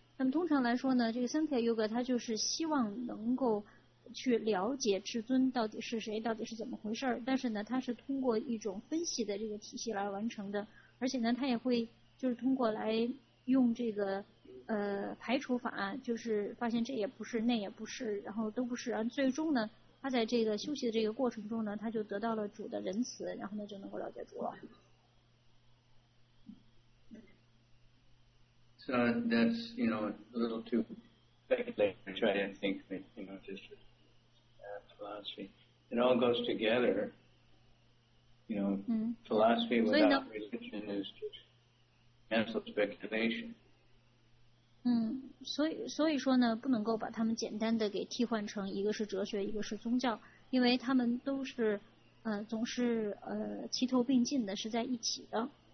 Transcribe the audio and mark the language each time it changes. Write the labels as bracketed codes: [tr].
[zh] 那么通常来说呢，这个 Sankhya Yoga 它就是希望能够去了解至尊到底是谁，到底是怎么回事，但是呢它是通过一种分析的这个体系来完成的，而且呢它也会就是通过来用这个排除法，就是发现这也不是那也不是，然后都不是，然后最终呢他在这个休息的这个过程中呢，他就得到了主的仁慈，然后呢就能够了解主了。 [en] So that's, you know, a little too speculative, I think, you know, just philosophy. It all goes together. You know, philosophy without religion is just mental speculation. [zh] 所以说呢，不能够把他们简单的给替换成一个是哲学，一个是宗教，因为他们都是总是齐头并进的，是在一起的。